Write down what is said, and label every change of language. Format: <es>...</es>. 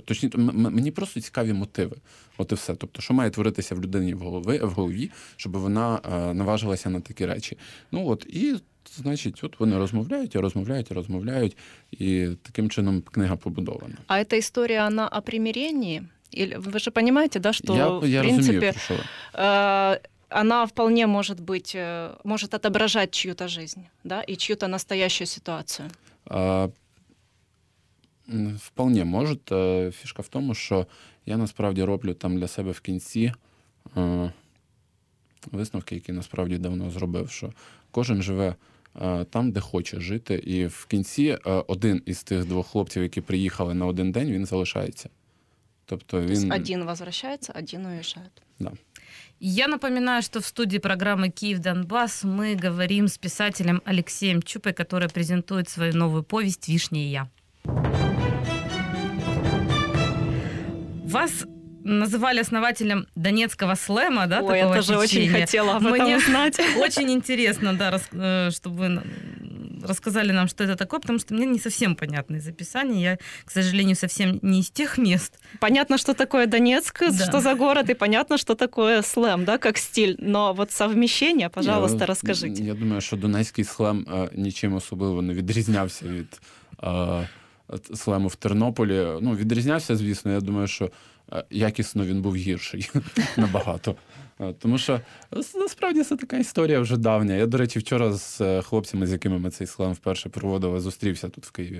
<uk>Точніше, мені просто цікаві мотиви. От і все. Тобто, що має творитися в людині в голові, щоб вона наважилася на такі речі. Ну, от, і, значить, от вони розмовляють, і таким чином книга побудована. А ця історія, вона о примиренні? Ви ж розумієте, да, що, я в принципі... Розумію, що...</uk> <ru>она вполне может отображать чью-то жизнь, да, и чью-то настоящую ситуацию. Вполне может. Фишка в том, что я,</ru> <uk>насправді, роблю там</uk> <ru>для себя</ru> <uk>в кінці висновки, які, насправді, давно зробив, що кожен живе там, де хоче жити, і в кінці один із тих 2 хлопців, які приїхали на один день, він залишається. Тобто він...</uk> <ru>Один возвращается, один уезжает. Да. Я напоминаю, что в студии программы «Киев-Донбасс» мы говорим с писателем Алексеем Чупой, который презентует свою новую повесть «Вишня и я». Вас называли основателем донецкого слэма, да? Ой, такого Я тоже очень хотела об этом узнать. Очень интересно, да, чтобы вы рассказали нам, что это такое, потому что мне не совсем понятно из описания. Я, к сожалению, совсем не из тех мест. Понятно, что такое Донецк, что за город, и понятно, что такое слэм, да, как стиль. Но вот совмещение, пожалуйста, расскажите. Я думаю, что донецкий слэм ничем</ru> <uk>особливо не відрізнявся від слэму в Тернополі. Ну, відрізнявся, звісно, я думаю, що якісно він був гірший набагато. Тому що насправді це така історія вже давня. Я, до речі, вчора з хлопцями, з якими ми цей слем вперше проводили, зустрівся тут в Києві.</uk>